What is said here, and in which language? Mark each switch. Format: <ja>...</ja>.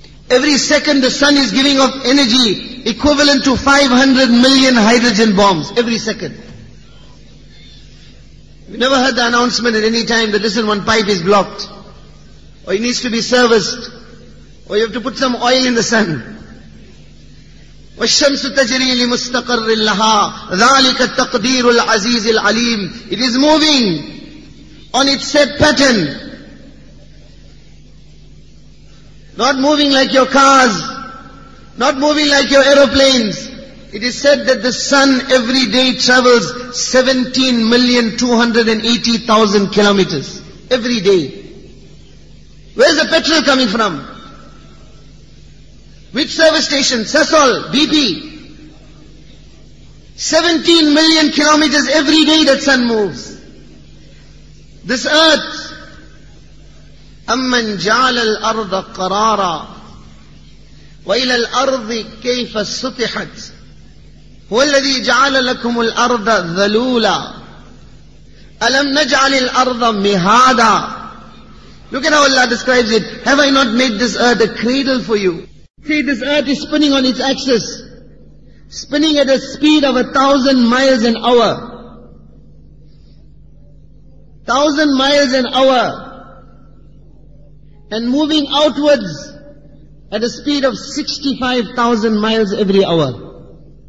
<en>Every second the sun is giving off energy equivalent to 500 million hydrogen bombs. Every second. You never heard the announcement at any time that listen, one pipe is blocked. Or it needs to be serviced. Or you have to put some oil in the sun.</en> <ar>وَالشَّمْسُ تَجْرِي لِمُسْتَقَرٍ لَهَا ذَلِكَ تَقْدِيرُ الْعَزِيزِ الْعَلِيمِ</ar> <en>It is moving on its set pattern. Not moving like your cars. Not moving like your aeroplanes. It is said that the sun every day travels 17,280,000 kilometers. Every day. Where is the petrol coming from? Which service station? Sasol, BP. 17 million kilometers every day that sun moves. This earth.</en> <ar>أَمَّنْ جَعَلَ الْأَرْضَ قَرَارًا وَإِلَى الْأَرْضِ كَيْفَ سُطِحَتْ هُوَ الَّذِي جَعَلَ لَكُمُ الْأَرْضَ ذَلُولًا أَلَمْ نَجْعَلِ الْأَرْضَ مِهَادًا</ar> <en>Look at how Allah describes it. Have I not made this earth a cradle for you? See, this earth is spinning on its axis. Spinning at a speed of 1,000 miles an hour. 1,000 miles an hour. And moving outwards at a speed of 65,000 miles every hour.</en>